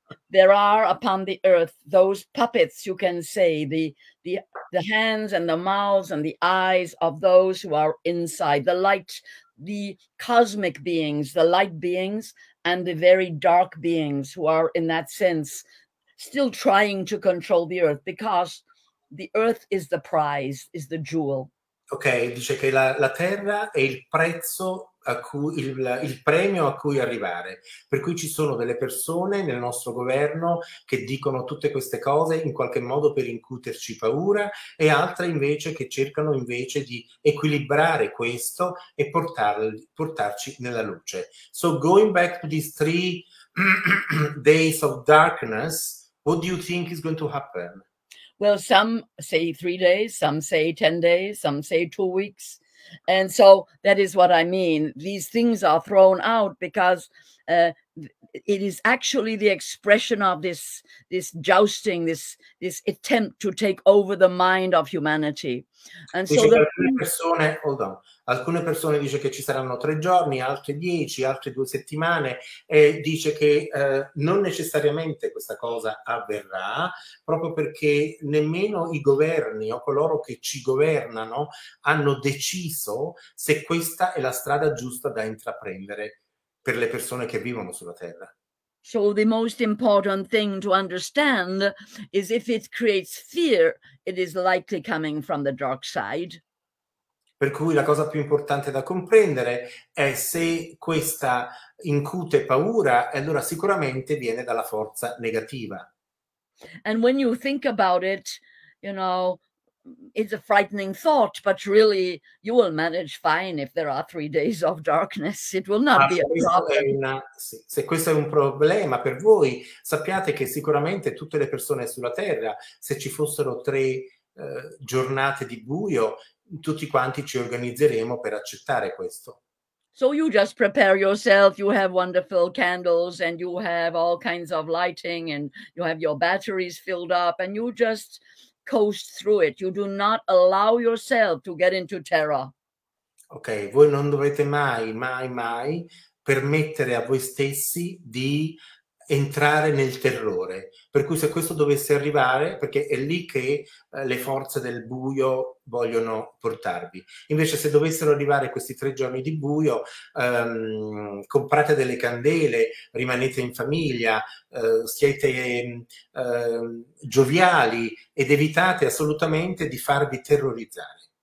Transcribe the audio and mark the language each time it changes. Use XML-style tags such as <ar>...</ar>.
<en>there are upon the earth those puppets, you can say, the hands and the mouths and the eyes of those who are inside the light. The cosmic beings, the light beings, and the very dark beings who are, in that sense, still trying to control the earth, because the earth is the prize, is the jewel.</en> <it>Ok, dice che la terra è il prezzo a cui il premio a cui arrivare. Per cui ci sono delle persone nel nostro governo che dicono tutte queste cose in qualche modo per incuterci paura e altre invece che cercano invece di equilibrare questo e portarci nella luce.</it> <en>So going back to these 3 days of darkness, what do you think is going to happen? Well, some say 3 days, some say 10 days, some say 2 weeks. And so that is what I mean. These things are thrown out because it is actually the expression of this jousting, this attempt to take over the mind of humanity. And so</en> <it>Dice</it> <en>the</en> <it>che alcune persone,</it> <en>hold on,</en> <it>alcune persone dice che ci saranno 3 giorni, altre 10, altre 2 settimane, e dice che non necessariamente questa cosa avverrà, proprio perché nemmeno i governi o coloro che ci governano hanno deciso se questa è la strada giusta da intraprendere per le persone che vivono sulla Terra.</it> <en>So the most important thing to understand is if it creates fear, it is likely coming from the dark side.</en> <it>Per cui la cosa più importante da comprendere è se questa incute paura, allora sicuramente viene dalla forza negativa.</it> <en>And when you think about it, it's a frightening thought, but really you will manage fine if there are 3 days of darkness. It will not Ah, be a problem.</en> <it>se questo è un problema per voi, sappiate che sicuramente tutte le persone sulla Terra, se ci fossero 3 giornate di buio, tutti quanti ci organizzeremo per accettare questo.</it> <en>So you just prepare yourself. You have wonderful candles and you have all kinds of lighting and you have your batteries filled up and you just coast through it. You do not allow yourself to get into terror.</en> <it>Ok, voi non dovete mai, mai, mai permettere a voi stessi di entrare nel terrore. Per cui se questo dovesse arrivare, perché è lì che le forze del buio vogliono portarvi. Invece, se dovessero arrivare questi 3 giorni di buio, comprate delle candele, rimanete in famiglia, siete gioviali ed evitate assolutamente di farvi terrorizzare.</it>